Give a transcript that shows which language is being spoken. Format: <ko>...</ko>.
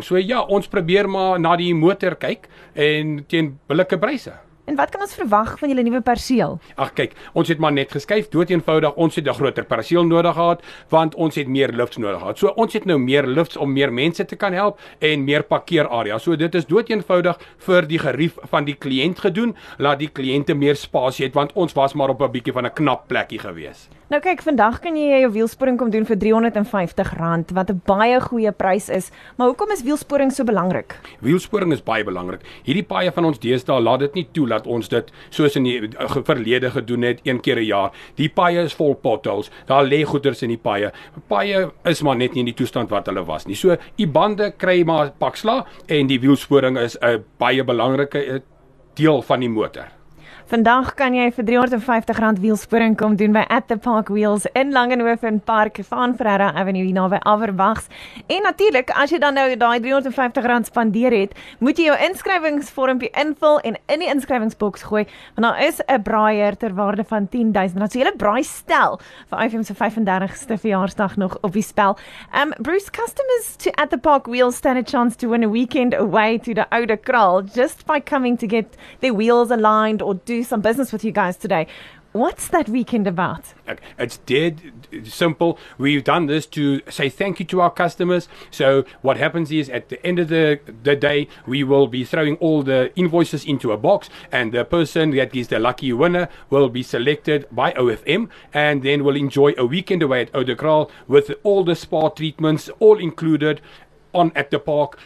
<af>So ja, ons probeer maar na die motor kyk en teen billike pryse. En wat kan ons verwag van julle nuwe perseel? Ag kyk, ons het maar net geskuif, dood eenvoudig, ons het 'n groter perseel nodig gehad, want ons het meer lifts nodig gehad. So ons het nou meer lifts om meer mense te kan help en meer parkeerarea. So dit is dood eenvoudig vir die gerief van die kliënt gedoen, laat die kliënte meer spasie het, want ons was maar op 'n bietjie van 'n knap plekkie gewees. Nou kyk, vandag kan jy jou wielsporing kom doen vir R350, wat 'n baie goeie prys is. Maar hoekom is wielsporing so belangrik? Wielsporing is baie belangrik. Hierdie paaie van ons deesdae laat dit nie toe dat ons dit soos in die verlede gedoen het, een keer 'n jaar. Die paaie is vol potholes, daar lê goeders in die paaie. Paaie is maar net nie in die toestand wat hulle was nie. So, die bande kry maar paksla en die wielsporing is 'n baie belangrike deel van die motor. Vandag kan jy vir R350 wielsporing kom doen by At The Park Wheels in Langenhoven Park, Van Ferreira Avenue, hier naby Averwags. En natuurlik, as jy dan nou daai R350 spandeer het, moet jy jou inskrywingsvormpie invul en in die inskrywingsboks gooi, want daar is 'n braaier ter waarde van R10,000. So jy lê braai stel vir IFM se 35ste verjaarsdag nog op die spel.</af> <en>Bruce, customers to At The Park Wheels stand a chance to win a weekend away to the Oude Kraal just by coming to get their wheels aligned or do some business with you guys today. What's that weekend about? It's dead simple. We've done this to say thank you to our customers. So what happens is at the end of the day, we will be throwing all the invoices into a box and the person that is the lucky winner will be selected by OFM and then will enjoy a weekend away at Oude Kraal with all the spa treatments all included on at the park.</en>